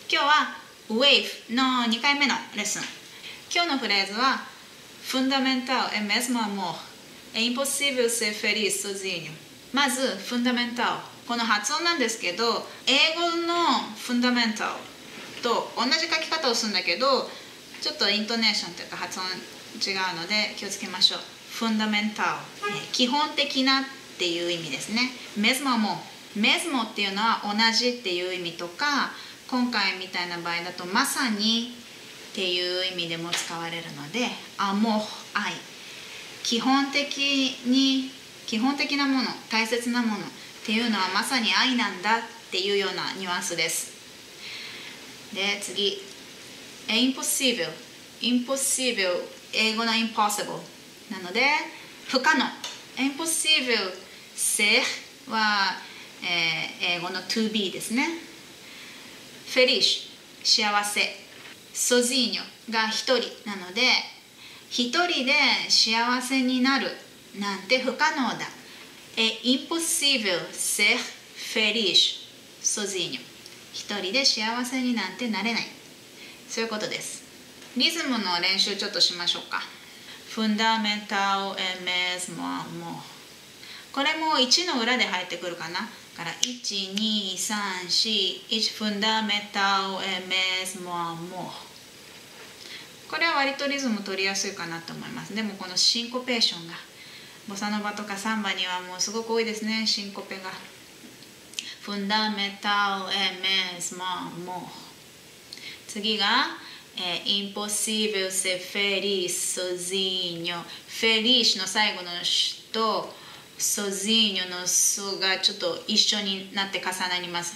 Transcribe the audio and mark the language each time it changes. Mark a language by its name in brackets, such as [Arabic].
[Japanese] 今日は Wave の2回目のレッスン。今日のフレーズは [Portuguese] Fundamental é mesmo amor. É impossível ser feliz sozinho. [Japanese] まず Fundamental。この発音なんですけど、英語の Fundamental と同じ書き方をするんだけど、ちょっとイントネーションというか発音違うので気をつけましょう。 [Portuguese] Fundamental。 [Japanese] 基本的なっていう意味ですね。 [Portuguese] Mesmo amor。 [Japanese] メスモっていうのは同じっていう意味とか、今回みたいな場合だとまさにっていう意味でも使われるので、アモー、愛、基本的に、基本的なもの、大切なものっていうのはまさに愛なんだっていうようなニュアンスです。で、次、え、impossible。impossible、 英語の impossible なので不可能。 [Portuguese] impossible ser [Japanese] は英語の to be ですね。 feliz、 幸せ。 sozinho が一人なので、一人で幸せになるなんて不可能だ。 [Portuguese] é impossível ser feliz sozinho。 [Japanese] 一人で幸せになんてなれない、そういうことです。リズムの練習ちょっとしましょうか。 [Portuguese] fundamental é mesmo amor。 [Japanese] これも1の裏で入ってくるかな。 [Portuguese] から1,2,3,4 fundamental é mesmo amor。 [Japanese] これは割とリズム取りやすいかなと思います。でもこのシンコペーションが、ボサノバとかサンバにはもうすごく多いですね、シンコペが。 [Portuguese] fundamental é mesmo amor。 [Japanese] 次が、 [Portuguese] impossível ser feliz sozinho。 [Japanese] feliz の最後の詞とsozinho の素がちょっと一緒になって重なります。